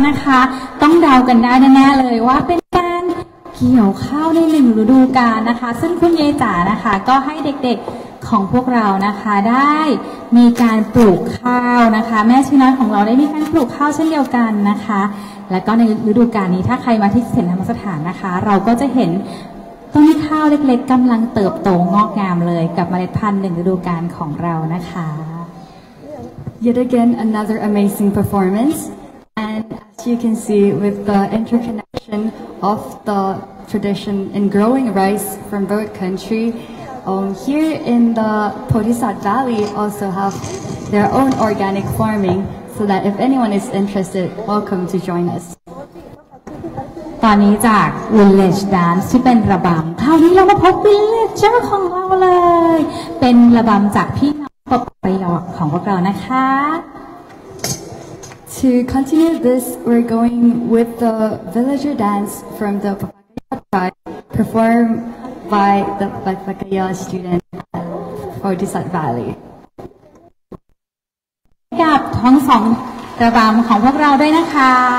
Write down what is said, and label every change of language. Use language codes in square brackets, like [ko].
[th] คะต้องเดากันได้แน่ๆเลยว่าเป็นการเกี่ยวข้าวในหนึ่งฤดูกาลนะคะซึ่งคุณยายจ๋านะคะก็ให้เด็กๆของพวกเรานะคะได้มีการปลูกข้าวนะคะแม่ชีน้อยของเราได้มีการปลูกข้าวเช่นเดียวกันนะคะแล้วก็ในฤดูกาลนี้ถ้าใครมาที่เศรษฐธรรมสถานนะคะเราก็จะเห็นต้นข้าวเล็กๆกำลังเติบโตงอกงามเลยกับเมล็ดพันธุ์หนึ่งฤดูกาลของเรานะคะ [en] Yet again another amazing performance and as you can see with the interconnection of the tradition in growing rice from both country here in the Bodhisat Valley also have their own organic farmingSo that if anyone is interested, welcome to join us. [th] ตอนนี้จาก Village Dance ที่เป็นระบำคราวนี้เรามาพบ Village เจ้าของเราเลยเป็นระบำจากพี่น้องประยอกของพวกเรานะคะ [en] To continue this, we're going with the Villager Dance from the Papagaya tribe performed by the Papagaya student at Bodhisat Valley. [th] กับทั้งสองระบำของพวกเราด้วยนะคะ